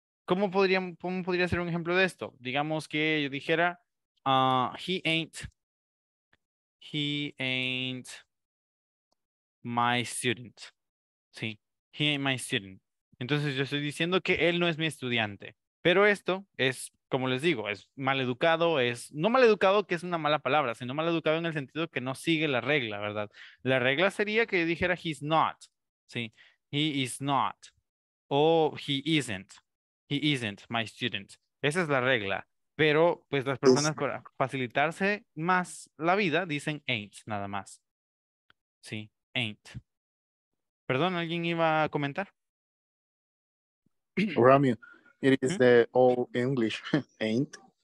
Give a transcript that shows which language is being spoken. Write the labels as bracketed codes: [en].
[es] ¿Cómo podría ser un ejemplo de esto? Digamos que yo dijera, [en] he ain't my student. [es] Sí, [en] he ain't my student. [es] Entonces yo estoy diciendo que él no es mi estudiante. Pero esto es, como les digo, es mal educado, es no mal educado, que es una mala palabra, sino mal educado en el sentido que no sigue la regla, ¿verdad? La regla sería que yo dijera [en] he's not, [es] ¿sí? [en] He is not, [es] o [en] he isn't my student. [es] Esa es la regla, pero pues las personas para facilitarse más la vida dicen ain't, nada más, ¿sí? Ain't. Perdón, ¿alguien iba a comentar? [en] Rami, it is the old English, ain't.